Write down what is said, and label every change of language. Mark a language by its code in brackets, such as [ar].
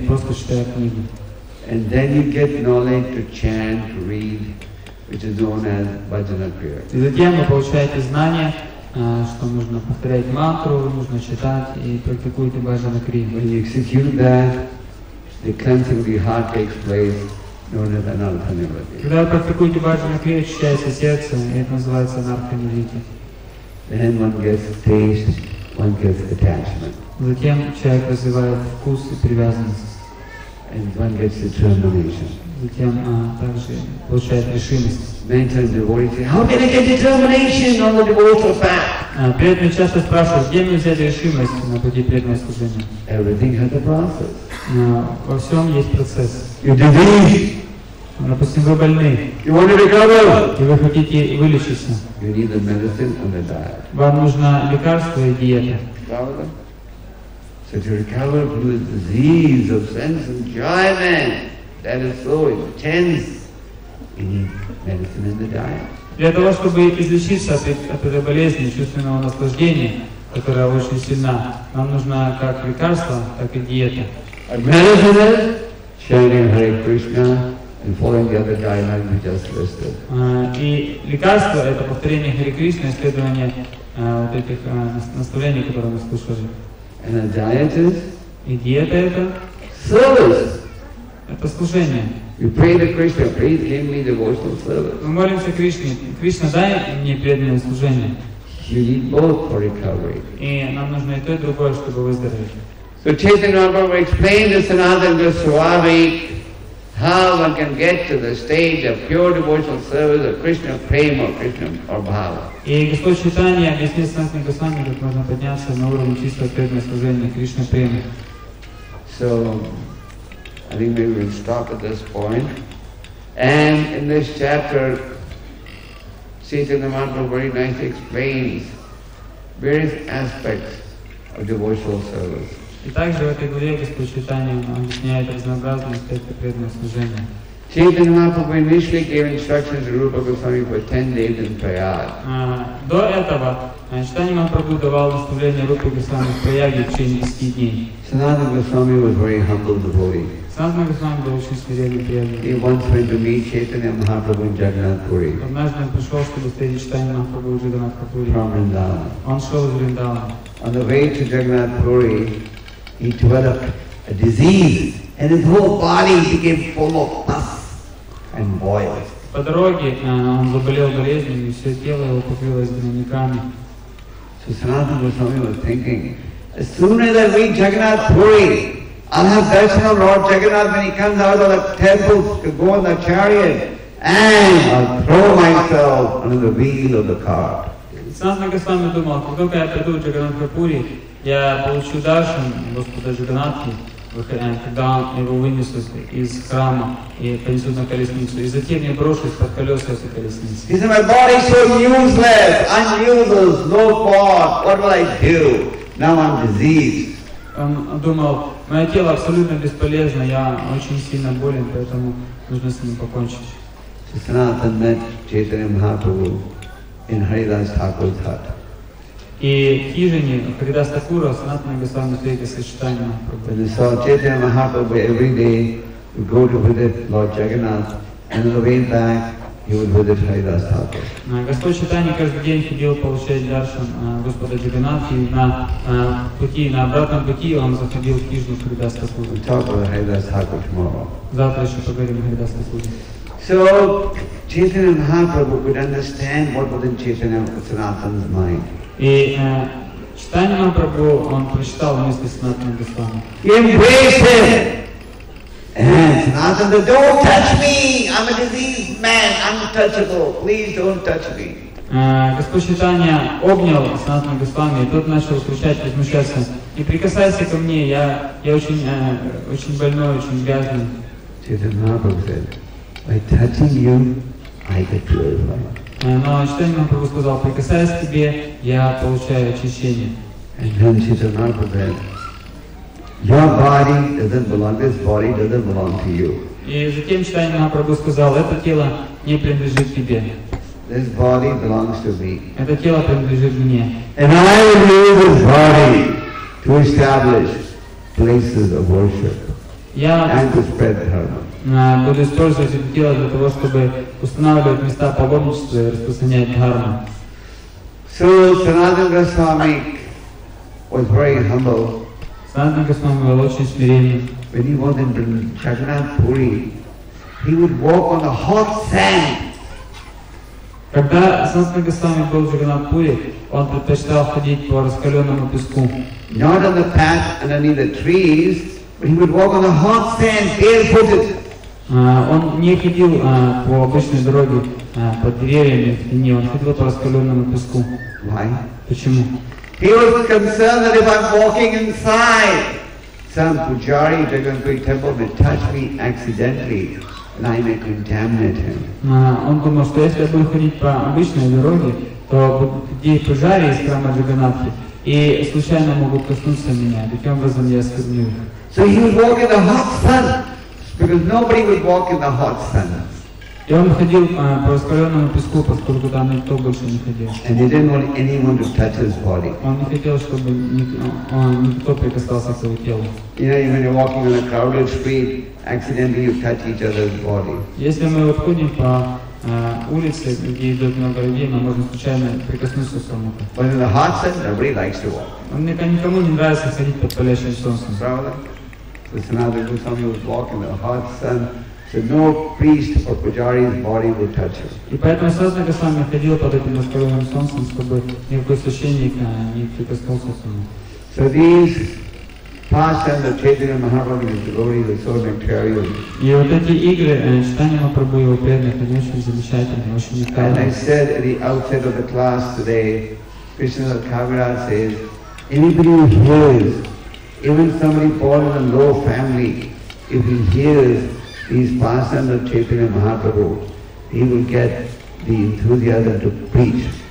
[en] And then you get knowledge to chant, to read, which is known as bhajana kriya. [ru] И затем вы получаете знание, что нужно повторять мантру, нужно читать и практикуете bhajana kriya. [en] When you execute that, the cleansing of your heart takes place, known as anartha nivritti. [ru] Когда вы практикуете bhajana kriya, очищается сердце, и это называется anartha nivritti. [en] Then one gets taste, one gets attachment. [ru] Затем человек развивает вкус и привязанность. [en] And one gets determination. [ru] Затем также получает решимость. [en] Many times devotees say, how can I get determination on the devotional path? [ru] Преданные часто спрашивают, где мне взять решимость на пути преданного служения? [en] Everything has a process. [ru] Во всем есть процесс. [en] You're diseased. [ru] Допустим, вы больны. [en] You want to recover. [ru] И вы хотите вылечиться. [en] You need the medicine and the diet. [ru] Вам нужно лекарство и диета. [en] So to recover from the disease of sense enjoyment that is so intense, you need medicine and the diet. [ru] Для того, чтобы излечиться от этой болезни чувственного наслаждения, которая очень сильна, вам нужно как лекарство, так и диета. [en] A medicine is chanting Hare Krishna and following the other guidelines we just listed. [ru] И лекарство — это повторение Хари Кришны, исследование вот этих наставлений, которые мы слушали. [en] And a diet is? [ru] И диета — это? [en] Service! [ru] Это служение. [en] You pray to Krishna, please give me devotional service. [ru] Мы молимся Кришне. Кришна, дай мне преданное служение. [en] You need both for recovery. [ru] И нам нужно и то, и другое, чтобы выздороветь. [en] So Chaitanya Mahaprabhu explained this in Sanatana Goswami, how one can get to the stage of pure devotional service of Krishna prema, Krishna or bhava. [ru] И Господь Читания объяснил Санатана Госвами, как можно подняться на уровень чистого преданного служения Кришна према. [en] So, I think we will stop at this point. And in this chapter, Chaitanya Mahaprabhu very nicely explains various aspects of devotional service. [ru] И также в этой главе Господь Читания объясняет разнообразные аспекты преданного служения. [en] Chaitanya Mahaprabhu initially gave instructions to Rupa Goswami for 10 days in Prayag. [ru] До этого Chaitanya Mahaprabhu давал наставление Рупе Госвами в Праяге в течение 10 дней. [en] Sanatana Goswami was very humble devotee. [ru] Sanatana Goswami был очень смиренный преданный. [en] He once went to meet Chaitanya Mahaprabhu in Jagannath Puri. [ru] Однажды он пришел, чтобы встретить Chaitanya Mahaprabhu в Jagannath Puri. [en] From Vrindavan. [ru] Он шел из Вриндавана. [en] On the way to Jagannath Puri, he developed a disease, and his whole body became full of pus and boils. [ru] По дороге он заболел болезнью, и все тело его покрылось гнойниками. [en] So Sanatana Goswami was thinking, as soon as I reach Jagannath Puri, I'll have darshan of Lord Jagannath when he comes out of the temple to go on the chariot, and I'll throw myself under the wheel of the cart. He said, my body is so useless, unusable, no part. What will I do? Now I'm diseased. [ru] Он думал, мое тело абсолютно бесполезно, я очень сильно болен, поэтому нужно с ним покончить. [en] Санатан met Чайтанья Махапрабху in Харидас Тхакур's hut. [ru] И в хижине Харидас Тхакура Санатана Госвами встретился с Чайтанья Махапрабху. [en] So Чайтанья Махапрабху every day would go to visit Lord Jagannath, and on the way back he would visit Харидас Тхакур. [ru] Господь Чайтанья каждый день ходил получать даршан Господа Джаганнатхи, и на пути, на обратном пути он заходил в хижину Харидас Тхакура. [en] We'll talk about Харидас Тхакур tomorrow. [ru] Завтра еще поговорим о Харидас Тхакуре. [en] So Chaitanya Mahaprabhu could understand what was in Chaitanya Sanatana's mind. [ru] И Чайтанья Махапрабху, он прочитал вместе с Санатаном Госвами. [en] Embrace him! And Sanatana said, don't touch me! I'm a diseased man, untouchable. Please don't touch me. [ru] Господь Чайтанья обнял Санатана Госвами, и тот начал кричать, возмущаться. Не прикасайся ко мне, я очень больной, очень грязный. [en] Chaitanya Mahaprabhu said, by touching you, I get purified. [ru] Но Чайтанья Махапрабху сказал, прикасаясь к тебе, я получаю очищение. [en] And then Chaitanya Mahaprabhu said, your body doesn't belong, this body doesn't belong to you. [ru] И затем Чайтанья Махапрабху сказал, это тело не принадлежит тебе. [en] This body belongs to me. [ru] Это тело принадлежит мне. [en] And I will use this body to establish places of worship and to spread dharma. [ru] Буду использовать это тело для того, чтобы устанавливать места паломничества и распространять дхарму. [en] So Sanatana Goswami was very humble. [ru] Sanatana Goswami был очень смиренный. [en] When he was in Jagannath Puri, he would walk on the hot sand. [ru] Когда Sanatana Goswami был в Jagannath Puri, он предпочитал ходить по раскаленному песку. [en] Not on the path underneath the trees, but he would walk on the hot sand, barefooted. [ru] Он не ходил по обычной дороге под деревьями, в тени, он ходил по раскаленному песку. [en] Why? [ru] Почему? [en] He was concerned that if I'm walking inside, some pujari in Jagannath temple may touch me accidentally, and I may contaminate him. [ru] Он думал, что если я буду ходить по обычной дороге, то где пужари из храма Джаганнатхи и случайно могут коснуться меня, таким образом я скорблю их. [en] So he was walking in the hot sun. Because nobody would walk in the hot sun. [ru] И он ходил по раскаленному песку, поскольку там никто больше не ходил. [en] And he didn't want anyone to touch his body. [ru] Он не хотел, чтобы никто прикасался к его телу. [en] You know, when you're walking on a crowded street, accidentally you touch each other's body. [ru] Если мы ходим по улице, где идет много людей, мы можем случайно прикоснуться к кому-то. [en] But in the hot sun, nobody likes to walk. [ru] Никому не нравится ходить под палящим солнцем. [en] So Sanatana Goswami was walking in the hot sun, so no priest or pujari's body would touch him. [ru] И поэтому Sanatana Goswami ходил под этим раскаленным солнцем, чтобы никакой священник не прикоснулся к нему. [en] So these pastimes of Chaitanya Mahaprabhu and his devotees were so material. [ru] И вот эти игры Чайтанья Махапрабху и его преданных, они очень замечательные, очень уникальные. [en] And I said at the outset of the class today, Krishnadas Kaviraj says, anybody who hears, even somebody born in a low family, if he hears these pastimes of Chaitanya Mahaprabhu, he will get the enthusiasm to preach.